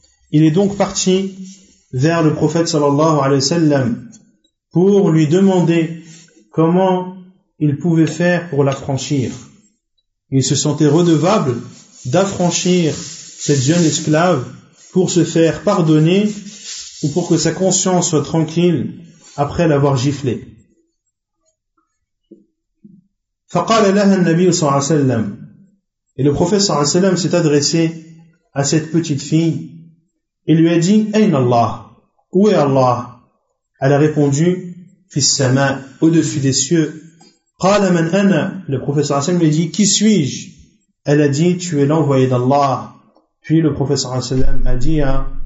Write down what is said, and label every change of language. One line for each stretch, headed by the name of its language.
French: Il est donc parti vers le prophète sallallahu alayhi wa sallam pour lui demander comment il pouvait faire pour l'affranchir. Il se sentait redevable d'affranchir cette jeune esclave pour se faire pardonner ou pour que sa conscience soit tranquille après l'avoir giflé.
Arabic: فقال لها النبي صلى الله عليه وسلم.
French: Et le prophète صلى الله عليه وسلم s'est adressé à cette petite fille et lui a dit
Arabic: أين الله?
French: Où est Allah? Elle a répondu
Arabic: في السماء,
French: au-dessus des cieux.
Arabic: قال من أنا?
French: Le prophète صلى الله عليه وسلم lui a dit qui suis-je? Elle a dit tu es l'envoyé d'Allah. Puis le prophète sallallahu alayhi wa sallam a dit à